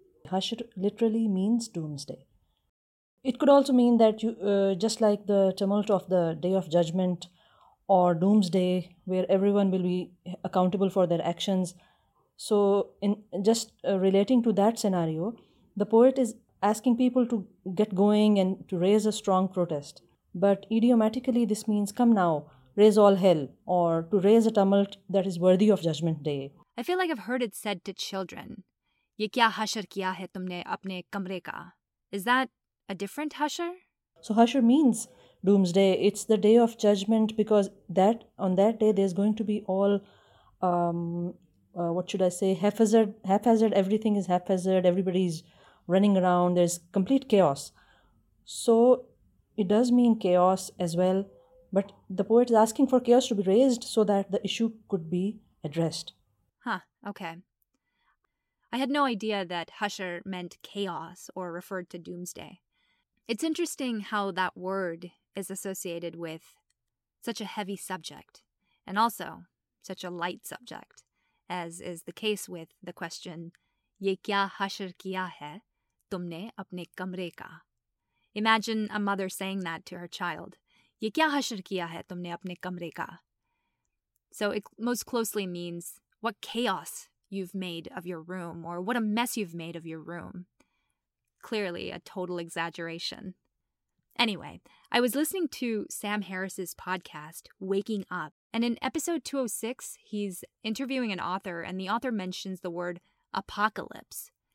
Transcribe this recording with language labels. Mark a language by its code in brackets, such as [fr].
[en] Hashr literally means doomsday. It could also mean that you, just like the tumult of the Day of Judgment or Doomsday, where everyone will be accountable for their actions. So in just relating to that scenario, the poet is asking people to get going and to raise a strong protest. But idiomatically, this means come now, raise all hell, or to raise a tumult that is worthy of Judgment Day. I feel like I've heard it said to children, [ur] یہ کیا حشر کیا ہے تم نے اپنے کمرے کا? [en] Is that a different hashar? So hashar means doomsday. It's the day of judgment because that on that day, there's going to be all, haphazard, everything is haphazard, everybody's running around, there's complete chaos. So it does mean chaos as well, but the poet is asking for chaos to be raised so that the issue could be addressed. Huh, okay. I had no idea that hashar meant chaos or referred to doomsday. It's interesting how that word is associated with such a heavy subject and also such a light subject, as is the case with the question, [ur] Ye kya hashar kiya hai tumne apne kamre ka? [en] Imagine a mother saying that to her child. [ur] یہ کیا حشر کیا ہے تم نے اپنے کمرے کا? [en] So it most closely means what chaos you've made of your room or what a mess you've made of your room. Clearly a total exaggeration. Anyway, I was listening to Sam Harris's podcast, Waking Up, and in episode 206, he's interviewing an author, and the author mentions the word apocalypse.